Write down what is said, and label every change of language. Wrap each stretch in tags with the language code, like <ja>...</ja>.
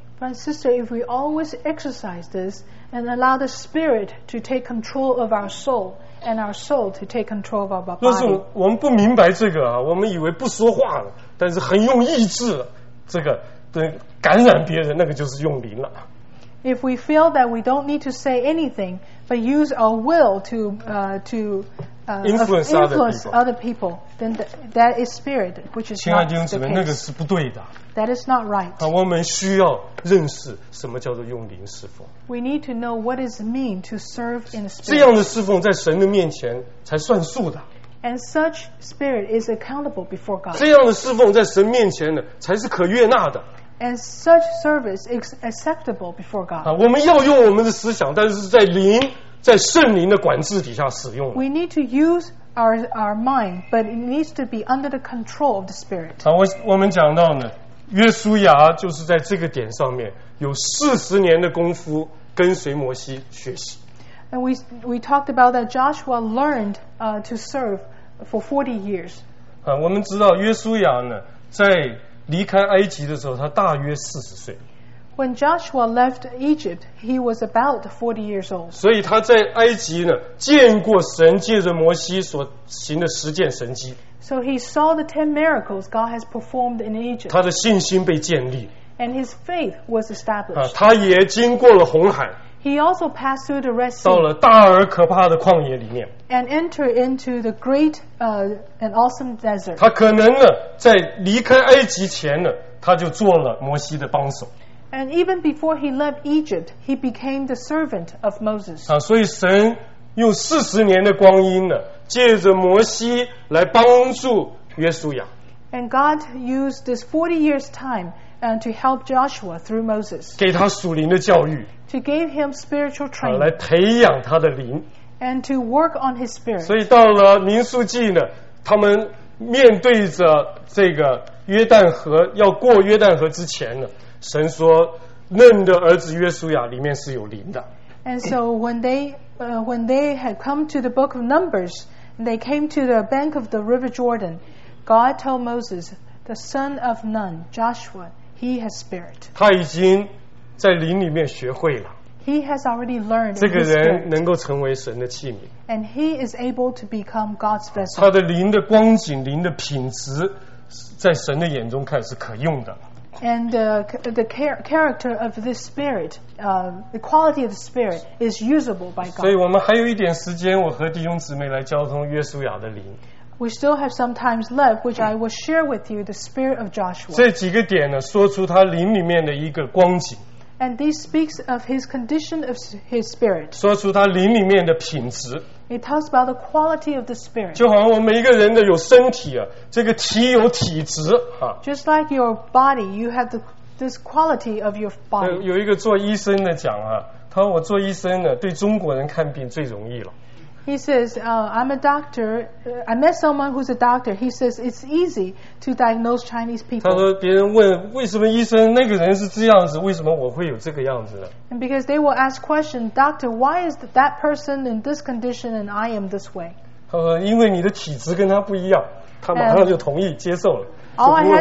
<en>But sister, if we always exercise this and allow the spirit to take control of our soul. And our soul to take control of our body.</en> <zh>若是我们不明白这个啊，我们以为不说话了，但是很用意志，这个对感染别人，那个就是用灵了。</zh> <en>If we feel that we don't need to say anything, but use our will to influence other people, then that is spirit, which is not the case.</en> <zh>亲爱的弟兄姊妹，那个是不对的。</zh> <en>That is not right.</en> <zh>我们需要认识什么叫做用灵侍奉。</zh> <en>We need to know what it means to serve in the spirit.</en> <zh>这样的侍奉在神的面前才算数的。</zh> <en>And such spirit is accountable before God.</en> <zh>这样的侍奉在神面前呢，才是可悦纳的。</zh> <en>And such service is acceptable before God.</en> <zh>我们要用我们的思想，但是在灵，在圣灵的管制底下使用。</zh> <en>We need to use our mind, but it needs to be under the control of the Spirit.</en> <zh>我们讲到呢，约书亚就是在这个点上面有40年的功夫跟随摩西学习。</zh> <en>And we talked about that Joshua learned to serve for 40 years.</en> <zh>我们知道约书亚呢，在离开埃及的时候，他大约四十岁。</zh> <en>When Joshua left Egypt, he was about 40 years old.</en> <zh>所以他在埃及呢，见过神借着摩西所行的十件神迹。</zh> <en>So he saw the 10 miracles God has performed in Egypt.</en> <zh>他的信心被建立。</zh> <en>And his faith was established.</en> <zh>他也经过了红海。</zh> <en>He also passed through the Red Sea.</en> <zh>到了大而可怕的旷野里面。</zh> <en>And entered into the great, and awesome desert.</en> <zh>他可能呢，在离开埃及前呢，他就做了摩西的帮手。</zh> <en>And even before he left Egypt, he became the servant of Moses.</en> <zh>所以神用四十年的光阴呢，借着摩西来帮助约书亚。</zh> <en>And God used this 40 years time to help Joshua through Moses.</en> <zh>给他属灵的教育。</zh> <en>To give him spiritual training.</en> <zh>来培养他的灵。</zh> <en>And to work on his spirit.</en> <zh>所以到了民数记呢，他们面对着这个约旦河，要过约旦河之前呢。神说嫩的儿子约书亚里面是有灵的。</zh> <en>And so when they had come to the book of Numbers, they came to the bank of the river Jordan. God told Moses, the son of Nun, Joshua, he has spirit.</en> <zh>他已经在灵里面学会了。</zh> <en>He has already learned in his spirit.</en> <zh>这个人能够成为神的器皿。</zh> <en>And he is able to become God's vessel.</en> <zh>他的灵的光景，灵的品质，在神的眼中看是可用的。</zh> <en>And the character of this spirit, the quality of the spirit is usable by God.</en> <zh>所以我们还有一点时间，我和弟兄姊妹来交通约书亚的灵。</zh> <en>We still have some time left, which I will share with you the spirit of Joshua.</en> <zh>这几个点呢，说出他灵里面的一个光景。</zh> <en>And this speaks of his condition of his spirit.</en> <zh>说出他灵里面的品质。</zh> <en>It talks about the quality of the spirit.</en> <zh>就好像我们每一个人的有身体啊，这个体有体质啊。</zh> <en>Just like your body, you have this quality of your body.</en> <zh>有一个做医生的讲啊，他说我做医生呢，对中国人看病最容易了。</zh> <en>He says, I'm a doctor. I met someone who's a doctor. He says it's easy to diagnose Chinese people.</en> <zh>他说别人问为什么医生那个人是这样子，为什么我会有这个样子呢？</zh> <en>And because they will ask question, doctor, why is that person in this condition and I am this way?</en> <zh>他说因为你的体质跟他不一样，他马上就同意接受了，就不会</zh>